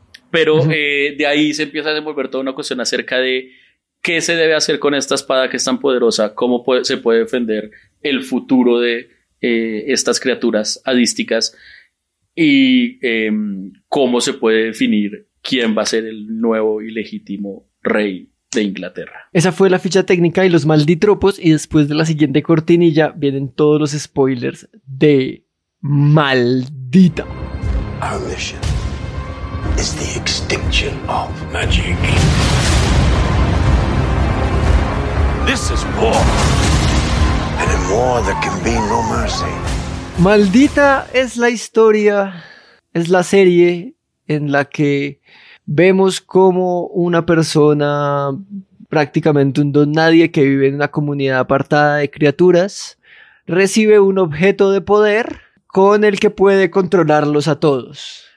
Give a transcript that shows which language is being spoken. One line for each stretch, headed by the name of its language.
Spanish: Pero de ahí se empieza a desenvolver toda una cuestión acerca de qué se debe hacer con esta espada que es tan poderosa, cómo se puede defender el futuro de estas criaturas hadísticas y cómo se puede definir quién va a ser el nuevo y legítimo rey de Inglaterra. Esa fue la ficha técnica y los malditropos, y después de la siguiente cortinilla vienen todos los spoilers de Maldita.
English: Our mission is the extinction of magic. This is war. And in war there can be no mercy.
Spanish: Maldita es la historia, es la serie en la que vemos cómo una persona, prácticamente un don nadie que vive en una comunidad apartada de criaturas, recibe un objeto de poder con el que puede controlarlos a todos.